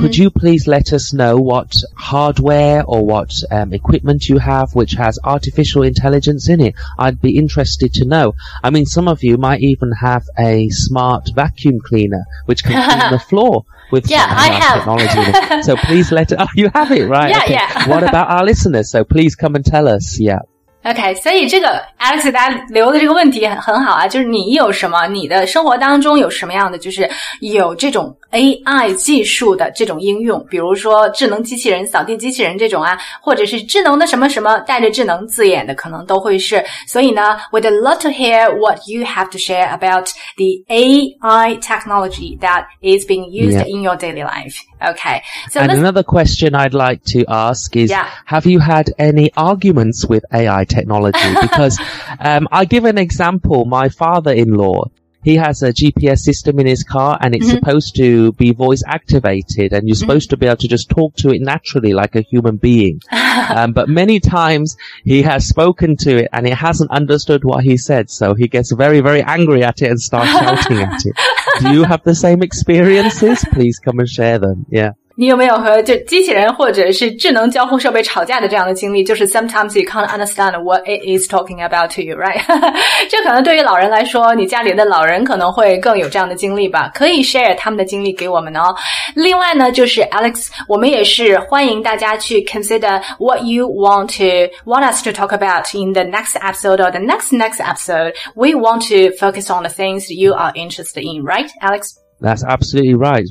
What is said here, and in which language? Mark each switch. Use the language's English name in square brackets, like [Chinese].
[English] Could you please let us know what hardware or what equipment you have which has artificial intelligence in it? I'd be interested to know. I mean, some of you might even have a smart vacuum cleaner which can clean the floor. With technology. So please let it, you have it, right? Yeah, okay. Yeah. What about our listeners? So please come and tell us. Yeah. [Chinese] Okay, 所以这个 Alex 大家留的这个问题很好啊，就是你有什么，你的生活当中有什么样的，就是有这种 AI 技术的这种应用，比如说智能机器人、扫地机器人这种啊，或者是智能的什么什么，带着智能字眼的可能都会是。所以呢 [English] ，We'd love to hear what you have to share about the AI technology that is being used in your daily life. Okay. So and another question I'd like to ask is, have you had any arguments with AI technology? Because, I give an example, my father-in-law, he has a GPS system in his car and it's supposed to be voice activated and you're supposed to be able to just talk to it naturally like a human being. But many times he has spoken to it and it hasn't understood what he said. So he gets very, very angry at it and starts shouting at it. Do you have the same experiences? Please come and share them. Yeah. [Chinese] 你有没有和就机器人或者是智能交互设备吵架的这样的经历？就是 [English] sometimes you can't understand what it is talking about to you, right? [Chinese] 这可能对于老人来说，你家里的老人可能会更有这样的经历吧。可以 share 他们的经历给我们哦。另外呢，就是 [English] Alex, [Chinese] 我们也是欢迎大家去 [English] consider what you want us to talk about in the next episode or the next episode. We want to focus on the things you are interested in, right, Alex? That's absolutely right.